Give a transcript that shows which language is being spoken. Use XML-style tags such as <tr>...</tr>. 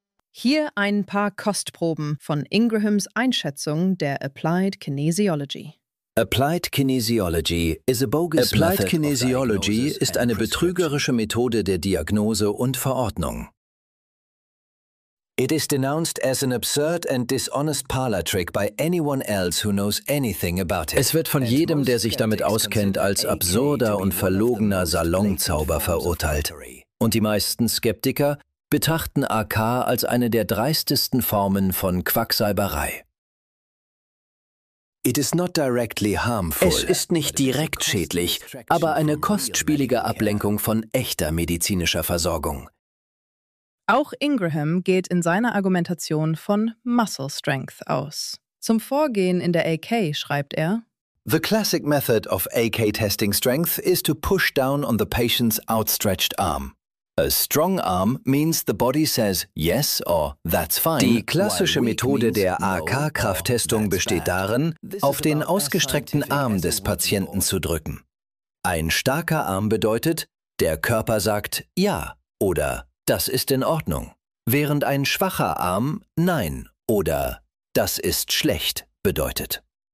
<de>Hier ein paar Kostproben von Ingrahams Einschätzung der Applied Kinesiology.</de> <en>Applied Kinesiology is a bogus method.</en> <de>Applied Kinesiology ist eine betrügerische Methode der Diagnose und Verordnung.</de> <en>It is denounced as an absurd and dishonest parlor trick by anyone else who knows anything about it.</en> <de>Es wird von jedem, der sich damit auskennt, als absurder und verlogener Salonzauber verurteilt. Und die meisten Skeptiker betrachten AK als eine der dreistesten Formen von Quacksalberei.</de> <en>It is not directly harmful.</en> <de>Es ist nicht direkt schädlich, aber eine kostspielige Ablenkung von echter medizinischer Versorgung. Auch Ingraham geht in seiner Argumentation von Muscle Strength aus. Zum Vorgehen in der AK schreibt er:</de> <en>The classic method of AK testing strength is to push down on the patient's outstretched arm. A strong arm means the body says yes or that's fine.</en> <de>Die klassische Methode der AK-Krafttestung besteht darin, auf den ausgestreckten Arm des Patienten zu drücken. Ein starker Arm bedeutet, der Körper sagt ja oder das ist in Ordnung, während ein schwacher Arm nein oder das ist schlecht bedeutet.</de>